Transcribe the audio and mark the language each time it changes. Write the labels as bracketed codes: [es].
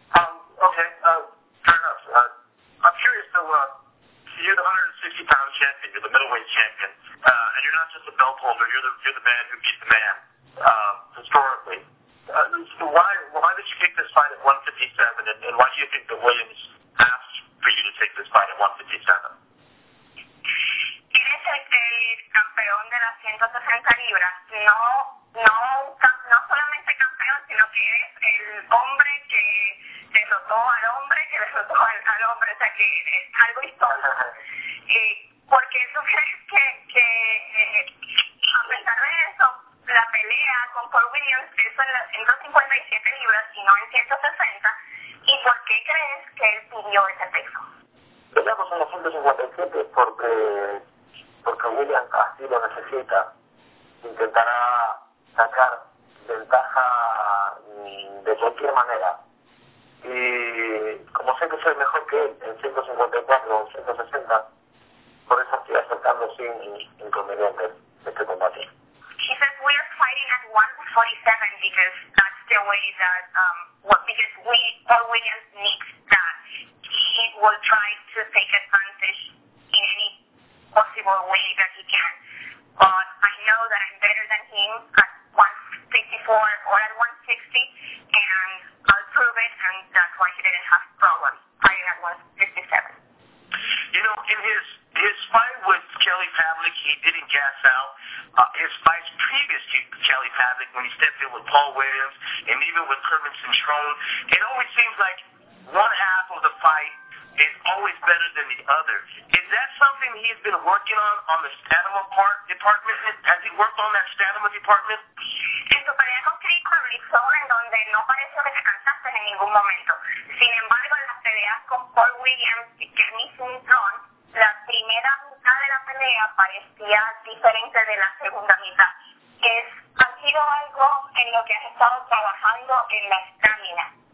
[en] Okay, fair enough. I'm curious, though, you're the 160-pound champion. You're the middleweight champion, and you're not just a belt holder. You're the man who beat the man historically. So why did you take this fight at 157, and why do you think the Williams asked for you to take this fight at 157? [es] Él es el que es campeón de las 160 libras. No solamente campeón, sino que es el hombre que derrotó al hombre, que derrotó al hombre. O sea, que es algo histórico. Porque sucede que a pesar de eso, la pelea con Paul Williams es en las 157 libras y no en 160. ¿Y por qué crees que él pidió ese peso? Peleamos en las 157 porque William así lo necesita, intentará sacar ventaja de cualquier manera. Y como sé que soy mejor que él en 154 o 160, por eso estoy aceptando sin inconvenientes este combate. [en] He says we are fighting at 147 because that's the way that because we Paul Williams needs that. He will try to take advantage in any possible way that he can. But I know that I'm better than him at 154 or at 160, and I'll prove it, and that's why he didn't have problems fighting at 157. You know, in his fight with Kelly Pavlik, he didn't gas out. His fights previous to Kelly Pavlik, when he stepped in with Paul Williams and even with Kermit Cintron, it always seems like one half of the fight is always better than the other. Is that something he's been working on the stamina department? Has he worked on that stamina department? [es] En su pelea con Chris Carlisle, en donde no pareció que se cansaste en ningún momento. Sin embargo, en las peleas con Paul Williams y Kermit Cintron, la primera mitad de la pelea parecía diferente de la segunda mitad. Es, ha sido algo en lo que has estado trabajando en la stamina.